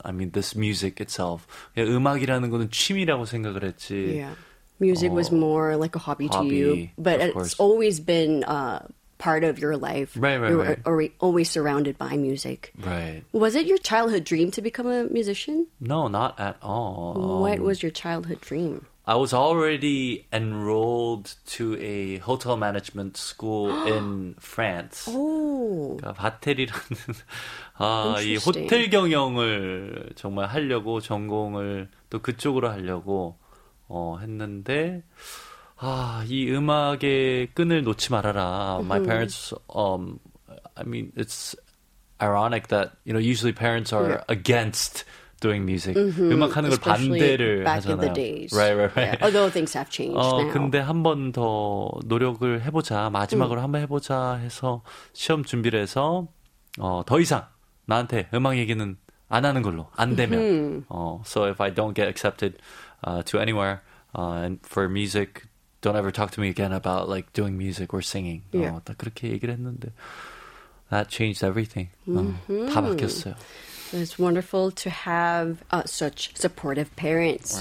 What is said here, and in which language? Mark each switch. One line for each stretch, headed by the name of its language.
English: I mean, this music itself.
Korean: 음악이라는 거는 취미라고 생각을 했지.
English: Yeah. Music was more like a hobby to you. But it's course. Always been part of your life. Right. You were always surrounded by music. Right. Was it your childhood dream to become a musician? No, not at all. What was your childhood dream? I was already enrolled to a hotel management school in France.
Korean: Oh. 그러니까 바텔이라는 이 호텔 경영을 정말 하려고 전공을 또 그쪽으로 하려고 했는데 이 음악의 끈을 놓지 말아라.
English: My parents it's ironic that you know usually parents are against doing music. Mm-hmm.
Korean: 음악하는 걸 반대를
English: back
Korean: 하잖아요.
English: In the days. Right. Yeah. Although things have changed now.
Korean: 근데 한 번 더 노력을 해보자. 마지막으로 한번 해보자 해서 시험 준비를 해서 더 이상 나한테 음악 얘기는 안 하는 걸로. 안 되면.
English: So if I don't get accepted to anywhere and for music, don't ever talk to me again about like doing music or singing. Yeah.
Korean: 딱 그렇게 얘기를 했는데
English: that changed everything. Mm-hmm.
Korean: 다 바뀌었어요.
English: It's wonderful to have such supportive parents.